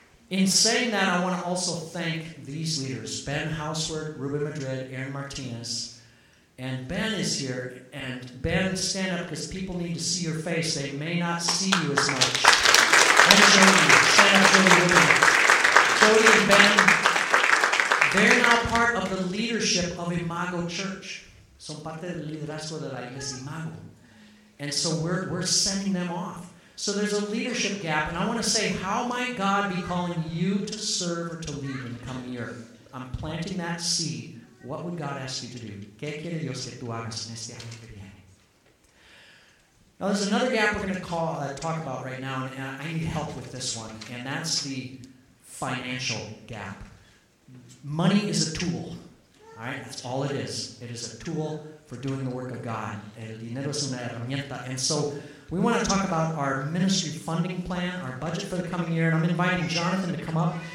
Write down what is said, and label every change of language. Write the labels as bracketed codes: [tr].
[en] In saying that, I want to also thank these leaders, Ben Houseward, Ruben Madrid, Aaron Martinez, and Ben is here. And Ben, stand up because people need to see your face. They may not see you as much. Ben, stand up for the Cody and Ben, they're now part of the leadership of Imago Church. [es] Son parte del liderazgo de la iglesia Imago. [en] And so we're sending them off. So there's a leadership gap, and I want to say, how might God be calling you to serve or to lead in the coming year? I'm planting that seed. What would God ask you to do? [es] ¿Qué quiere Dios que tú hagas en este año que viene? [en] Now, there's another gap we're going to talk about right now, and I need help with this one, and that's the financial gap. Money is a tool, all right? That's all it is. It is a tool for doing the work of God. [es] El dinero es una herramienta, [en] and so we want to talk about our ministry funding plan, our budget for the coming year, and I'm inviting Jonathan to come up.